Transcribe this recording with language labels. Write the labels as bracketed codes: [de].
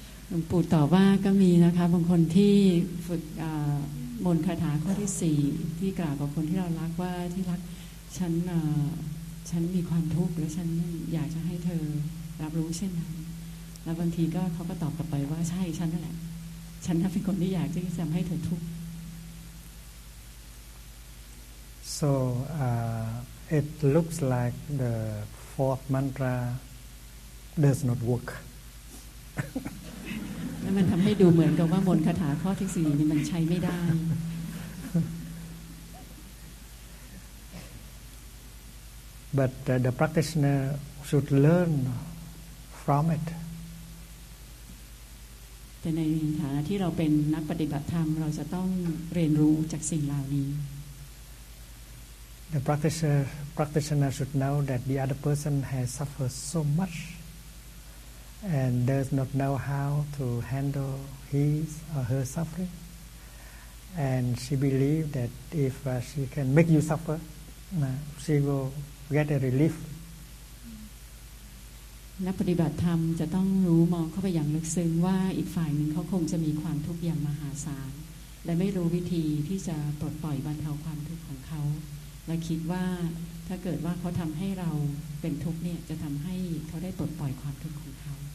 [th] หลวงปู่ตอบว่าก็มีนะคะบางคนที่ฝึกมนต์คาถาข้อที่4ที่กล่าวกับคนที่เรารักว่าที่รักฉันมีความทุกข์และฉันอยากจะให้เธอรับรู้เช่นนั้นแล้วบางทีก็เขาก็ตอบกลับไปว่าใช่ฉันนั่นแหละฉันน่ะเป็นคนที่อยากจะทำให้เธอทุกข์ [en] So it looks like the fourth mantra does not work [th] มันทำให้ดูเหมือนกับว่ามนต์คาถาข้อที่4นี่มันใช้ไม่ได้ [en] but the practitioner should learn from it [th] แต่ในฐานะที่เราเป็นนักปฏิบัติธรรมเราจะต้องเรียนรู้จากสิ่งเหล่านี้ [en] the practitioner should know that the other person has suffered so muchAnd does not know how to handle his or her suffering, and she believes that if she can make you suffer, she will get a relief. [th] นักปฏิบัติธรรมจะต้องรู้มองเข้าไปอย่างลึกซึ้งว่าอีกฝ่ายหนึ่งเขาคงจะมีความทุกข์อย่างมหาศาลและไม่รู้วิธีที่จะปลดปล่อยบรรเทาความทุกข์ของเขาและคิดว่าถ้าเกิดว่าเขาทำให้เราเป็นทุกข์เนี่ยจะทำให้เขาได้ปลดปล่อยความทุกข์ของเขา